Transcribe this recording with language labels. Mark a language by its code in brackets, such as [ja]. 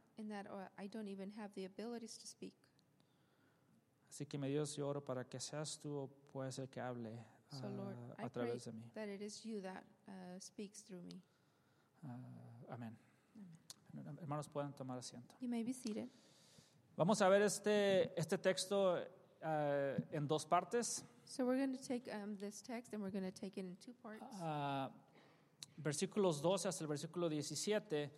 [en] And that I don't even have the abilities to speak. [es] Así que mi Dios, yo oro para que seas tú o puedes ser que hable a través de mí. [en] So Lord, I pray that it is you that speaks through me. [es] Amén. Hermanos, pueden tomar asiento. [en] You may be seated. [es] Vamos a ver este texto en dos partes. [en] So we're going to take this text and we're going to take it in two parts. [es] Versículos 12 hasta el versículo 17.